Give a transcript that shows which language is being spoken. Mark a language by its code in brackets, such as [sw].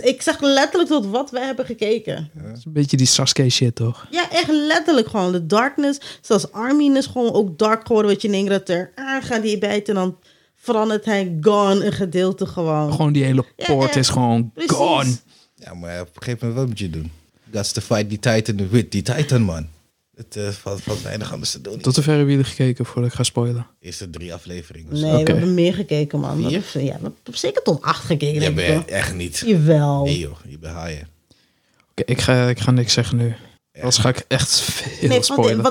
[nl] Ik zeg letterlijk tot wat we hebben gekeken. Ja. Dat is een beetje die Sasuke shit, toch? Ja, echt letterlijk gewoon. De darkness. Zoals Armin is gewoon ook dark geworden. Wat je denkt dat er gaat die bijten. En dan verandert hij gone een gedeelte gewoon. Gewoon die hele poort is gewoon precies. Gone. Ja, maar op een gegeven moment, wat moet je doen? [en] Got to fight the titan with the titan, man. [nl] Het valt weinig anders te doen. Tot zover hebben jullie gekeken voordat ik ga spoilen? Eerste 3 afleveringen. Nee, okay. We hebben meer gekeken, man. We hebben zeker tot 8 gekeken. Jij bent echt niet. Jawel. Nee joh, je bent haaien. Oké, ik ga niks zeggen nu. Anders ga ik echt veel spoilen.